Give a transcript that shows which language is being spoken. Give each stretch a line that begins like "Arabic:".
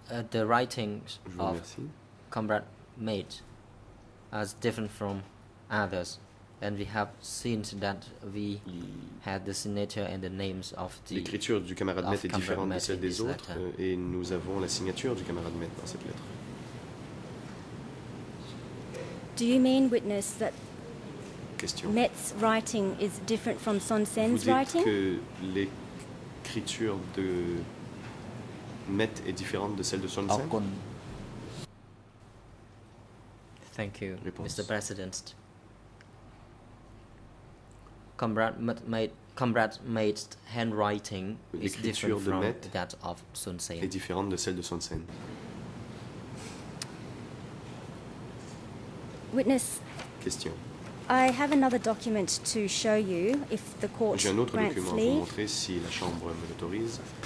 English: The writings of Comrade Mate are different from others, and we have seen that we had the signature and the names of the
French: l'écriture du camarade Mate est différente de celle des autres, et nous avons la signature du camarade Mate dans cette lettre.
English: Do you mean, witness, that Met's writing is different from Son Sen's writing?
French: Vous dites que l'écriture de Met est différente de celle de Son Sen?
English: Thank you,
French: réponse.
English: Mr. President. Comrade Mate's handwriting is different from Met that of Son Sen.
French: Est différente de celle de Son Sen.
English: Witness. Question. I have another document to show you if the court grants leave.
French: J'ai un autre document à vous montrer si la chambre me l'autorise.